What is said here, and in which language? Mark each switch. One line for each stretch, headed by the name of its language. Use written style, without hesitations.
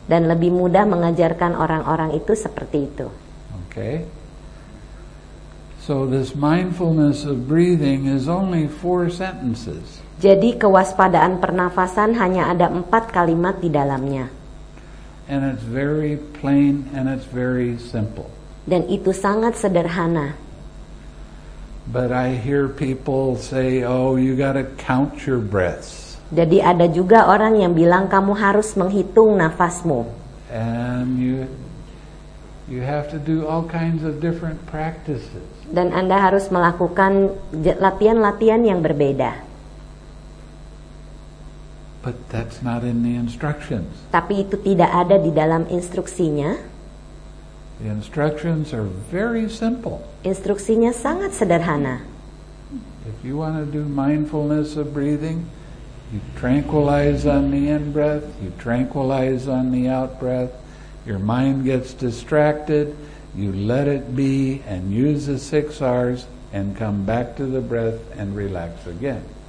Indonesian: Dan lebih mudah mengajarkan orang-orang itu seperti itu.
English: Okay. So this mindfulness of breathing is only 4 sentences.
Indonesian: Jadi kewaspadaan pernafasan hanya ada 4 kalimat di dalamnya.
English: And it's very plain and it's very simple.
Indonesian: Dan itu sangat sederhana.
English: But I hear people say, "Oh, you got to count your breaths."
Indonesian: Jadi ada juga orang yang bilang kamu harus menghitung nafasmu.
English: And you have to do all kinds of different practices.
Indonesian: Dan Anda harus melakukan latihan-latihan yang berbeda.
English: But that's not in the instructions.
Indonesian: Tapi itu tidak ada di dalam instruksinya.
English: The instructions are very simple.
Indonesian: Instruksinya sangat sederhana.
English: If you want to do mindfulness of breathing, you tranquilize on the in-breath, you tranquilize on the out-breath, your mind gets distracted, you let it be and use the 6 R's and come back to the breath and relax again.